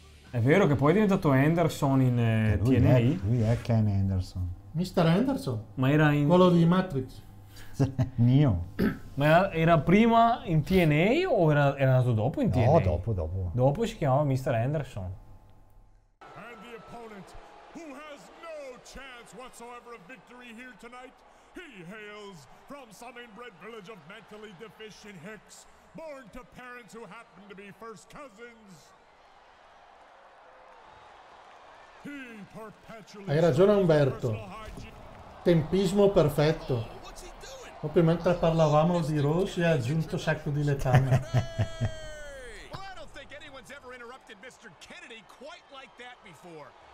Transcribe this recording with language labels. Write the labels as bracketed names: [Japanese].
[Italian] È vero che poi è diventato Anderson in TNA? Lui è Ken Anderson. Mister Anderson? Ma era in... Quello di Matrix. Mio. Ma era prima in TNA o era andato dopo in TNA? No, dopo. Dopo si chiamava Mr. Anderson. [English] And the opponent who has no chance whatsoever of victory here tonight. He hails from some inbred village of mentally deficient hicks, born to parents who happen to be first cousins. He perpetually. [Italian] Hai ragione Umberto. Tempismo perfetto. Proprio mentre parlavamo di Rossi ha aggiunto sacco di letame. [English] Well, I don't think anyone's ever interrupted Mr. Kennedy quite like that before.